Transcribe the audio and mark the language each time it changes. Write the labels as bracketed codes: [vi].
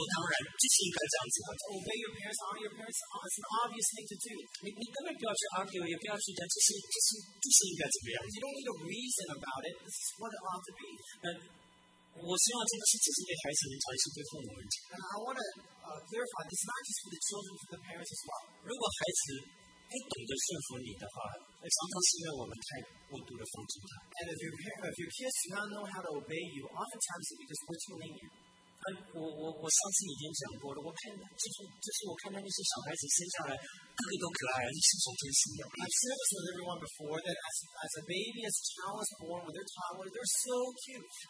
[en] Obey your parents, honor your parents, it's an obvious thing to do. You don't need a reason about it, this is what it ought to be. And I want to clarify, this is not just for the children, for the parents as well. [zh] 如果孩子不懂得顺服你的话，常常是因为我们太过度的奉承他。 [en] And if your kids do not know how to obey you, oftentimes it's because we're too lenient. [zh] 我上次已经讲过了，我看就是我看到那些小孩子生下来，个个都可爱，是顺从天性的。I've [en] said this with everyone before that as a baby, as a child is born, when they're toddler, they're so cute.